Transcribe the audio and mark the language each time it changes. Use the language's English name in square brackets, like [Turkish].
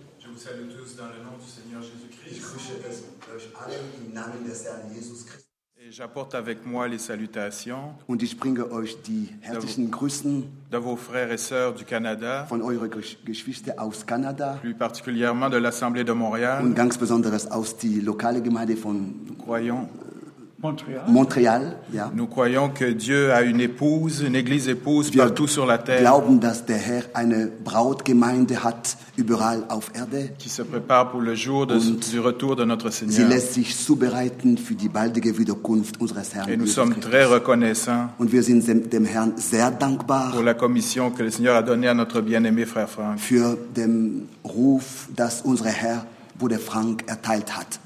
[French] Je vous salue tous dans le nom du Seigneur Jésus-Christ. [German] Ich grüße euch alle im Namen des Herrn Jesus Christus. [French] Et j'apporte avec moi les salutations. [German] Und ich bringe euch die herzlichen Grüßen. [French] De vos frères et sœurs du Canada. [German] Von euren Geschwister aus Kanada. [French] Plus particulièrement de l'Assemblée de Montréal. [German] Und ganz besonders aus die lokale Gemeinde von. [French] Nous croyons. Montréal. Yeah. Nous croyons que Dieu a une épouse, une église épouse [German] Wir [French] partout sur la terre. [German] Glauben, dass der Herr eine Brautgemeinde hat überall auf Erde. [French] Qui se prépare pour le jour du retour de notre Seigneur. [German] Sie lässt sich zubereiten für die baldige Wiederkunft unseres Herrn. [French] Et nous sommes très reconnaissants. [German] Und wir sind dem Herrn sehr dankbar. [French] Pour la commission que le Seigneur a donnée à notre bien-aimé frère Frank. [German] Für den Ruf, dass unser Herr Bruder Frank erteilt hat.